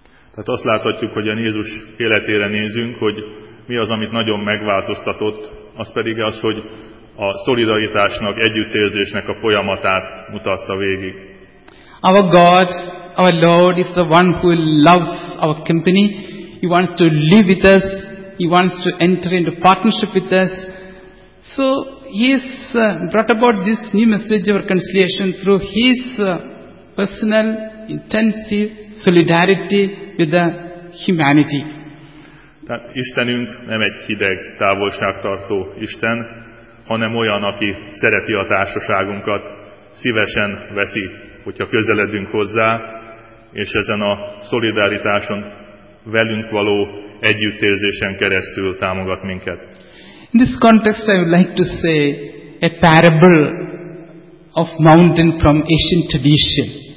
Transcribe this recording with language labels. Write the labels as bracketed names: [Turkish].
[Hungarian] Tehát azt láthatjuk, hogy a Jézus életére nézünk, hogy mi az, amit nagyon megváltoztatott, az pedig az, hogy a szolidaritásnak, együttérzésnek a folyamatát mutatta végig. [English] Our God, our Lord is the one who loves our company. He wants to live with us. He wants to enter into partnership with us. So he has brought about this new message of reconciliation through his personal, intensive solidarity with the humanity. [Hungarian] Tehát Istenünk nem egy hideg, távolságtartó Isten, hanem olyan, aki szereti a társaságunkat, szívesen veszi, hogyha közeledünk hozzá, és ezen a szolidaritáson, velünk való együttérzésen keresztül támogat minket. [English] In this context I would like to say a parable of mountain from ancient tradition.